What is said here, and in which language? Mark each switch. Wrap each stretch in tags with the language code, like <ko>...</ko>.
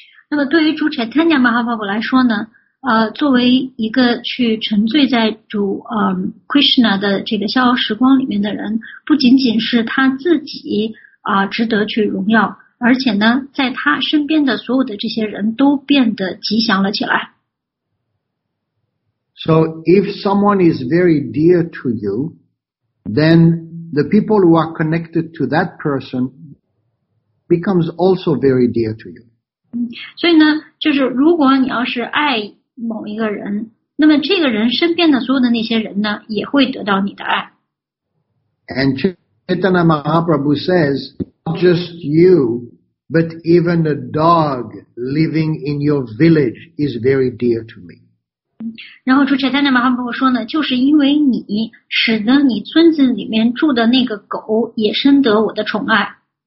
<zh>那么对于主 Chaitanya Mahaprabhu 来说呢，作为一个去沉醉在主Krishna 的这个逍遥时光里面的人，不仅仅是他自己值得去荣耀，而且呢，在他身边的所有的这些人都变得吉祥了起来。</zh> <en>So if someone is very dear to you, then the people who are connected to that person becomes also very dear to you.</en> <zh>所以呢，就是如果你要是爱某一个人，那么这个人身边的所有的那些人呢，也会得到你的爱。</zh> <en>And Chaitanya Mahaprabhu says, not just you, but even a dog living in your village is very dear to me.</en> <zh>然后主 Chaitanya Mahaprabhu 说呢，就是因为你使得你村子里面住的那个狗也深得我的宠爱。</zh>